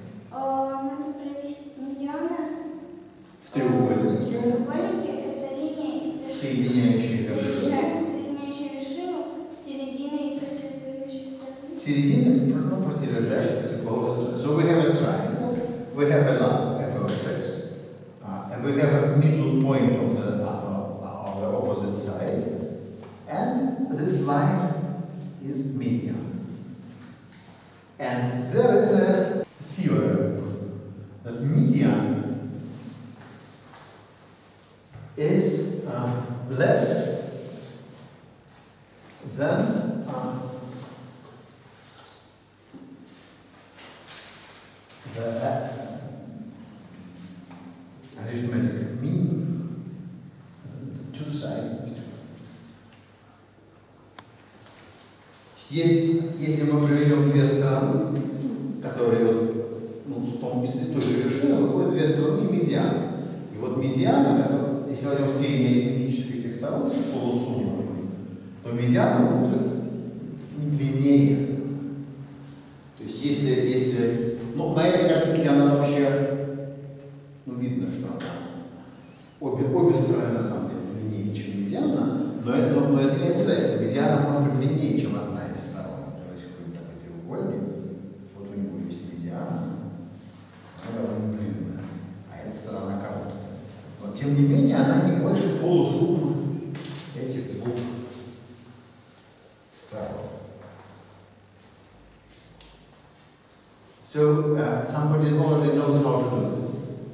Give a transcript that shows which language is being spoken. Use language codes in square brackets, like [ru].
[ru] Надо провести медианы. В треугольнике. В треугольнике это линия, соединяющая вершину с серединой и противоположной стороны. Середина, ну, противоположная, противоположная сторона. [en] So we have a triangle, we have a line, a vertex. We have a middle point of the other, of the opposite side, and this line is median. And there is a theorem that median is less than the arithmetic mean, the two sides between. [ru] Есть, если мы приведем две стороны, которые вот, ну, в том числе с той же вершиной, выходят две стороны медиана. И вот медиана, которая, если возьмем среднее арифметическое этих сторон, с полусуммой, то медиана будет не длиннее. То есть если ну, на этой картинке она вообще, ну, видно, что она обе стороны на самом деле длиннее, чем медиана, но это не обязательно. Медиана может быть длиннее, чем одна из сторон. То есть какой-нибудь такой треугольник. Вот у него есть медиана. Она довольно длинная. А эта сторона короткая. Но тем не менее она не больше полусуммы этих двух сторон. [en] So somebody already knows how to do this.